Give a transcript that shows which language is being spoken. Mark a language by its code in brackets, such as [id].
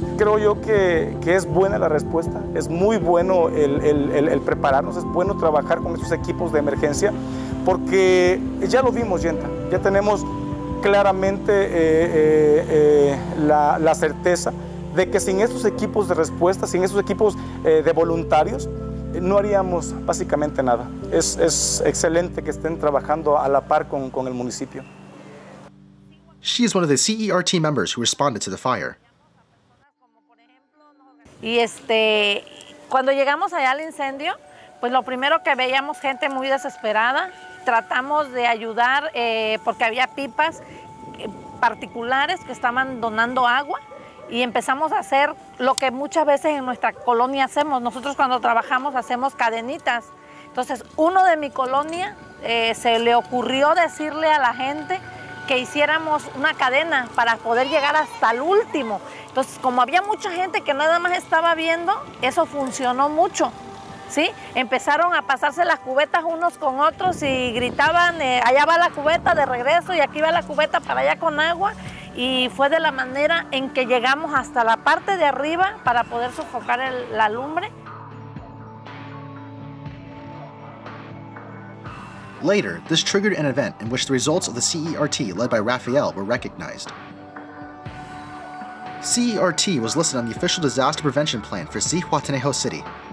[es] Creo yo que es buena la respuesta, es muy bueno el prepararnos, es bueno trabajar con estos equipos de emergencia, porque ya lo vimos, Genta, ya tenemos claramente la certeza de que sin estos equipos de respuesta, sin estos equipos de voluntarios, no haríamos básicamente nada. Es excelente que estén trabajando a la par con el municipio. [en] She is one of the CERT members who responded to the fire. [es] Y cuando llegamos allá al incendio, pues lo primero que veíamos gente muy desesperada. Tratamos de ayudar porque había pipas particulares que estaban donando agua. Y empezamos a hacer lo que muchas veces en nuestra colonia hacemos. Nosotros cuando trabajamos hacemos cadenitas. Entonces, uno de mi colonia se le ocurrió decirle a la gente que hiciéramos una cadena para poder llegar hasta el último. Entonces, como había mucha gente que nada más estaba viendo, eso funcionó mucho, ¿sí? Empezaron a pasarse las cubetas unos con otros y gritaban, allá va la cubeta de regreso y aquí va la cubeta para allá con agua. y fue de la manera en que llegamos hasta la parte de arriba para poder sofocar la lumbre. [en] Later, this triggered an event in which the results of the CERT led by Rafael were recognized. CERT was listed on the official disaster prevention plan for Zihuatanejo City.